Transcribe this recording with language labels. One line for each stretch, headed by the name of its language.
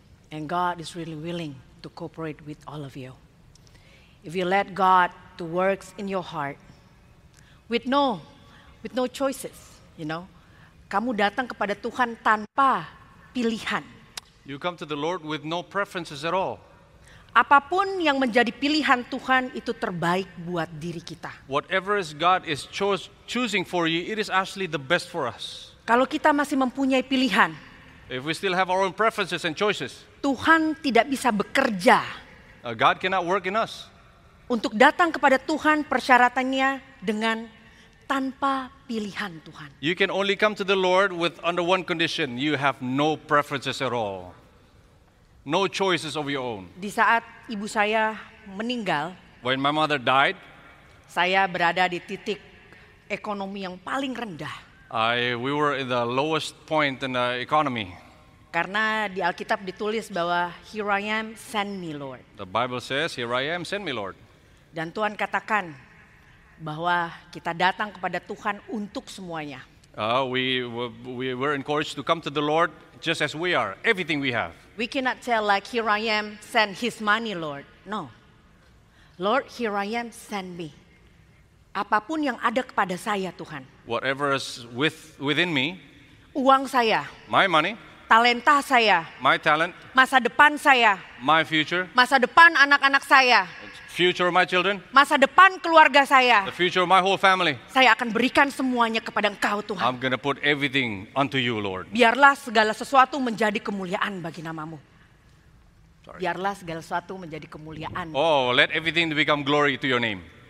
English: And God is really willing to cooperate with all of you. If you let God to work in your heart with no choices, you know,
Indonesian: kamu datang kepada Tuhan tanpa pilihan.
English: You come to the Lord with no preferences at all.
Indonesian: Apapun yang menjadi pilihan Tuhan itu terbaik buat diri kita.
English: Whatever is God is choosing for you, it is actually the best for us.
Indonesian: Kalau kita masih mempunyai pilihan,
English: if we still have our own preferences and choices,
Indonesian: Tuhan tidak bisa bekerja.
English: God cannot work in us.
Indonesian: Untuk datang kepada Tuhan persyaratannya dengan tanpa pilihan Tuhan.
English: You can only come to the Lord with under one condition. You have no preferences at all. No choices of your own.
Indonesian: Di saat ibu saya meninggal,
English: when my mother died,
Indonesian: saya berada di titik ekonomi yang paling rendah.
English: We were in the lowest point in the economy.
Indonesian: Karena di Alkitab ditulis bahwa
English: here I am, send me Lord. The Bible says, here I am, send me Lord.
Indonesian: Dan Tuhan katakan bahwa kita datang kepada Tuhan untuk semuanya.
English: We were encouraged to come to the Lord just as we are, everything we have. We cannot tell like, here I am, send his money, Lord. No. Lord, here I am, send me.
Indonesian: Apapun yang ada kepada saya, Tuhan.
English: Whatever is within me.
Indonesian: Uang saya.
English: My money.
Indonesian: Talenta saya.
English: My talent.
Indonesian: Masa depan saya.
English: My future.
Indonesian: Masa depan anak-anak saya.
English: Future of my children.
Indonesian: Masa depan keluarga saya.
English: The future of my whole family.
Indonesian: Saya akan berikan semuanya kepada Engkau, Tuhan.
English: I'm going to put everything unto you, Lord.
Indonesian: Biarlah segala sesuatu menjadi kemuliaan bagi namamu.
English: Sorry.
Indonesian: Biarlah segala sesuatu menjadi kemuliaan.
English: Oh, let everything become glory to your name.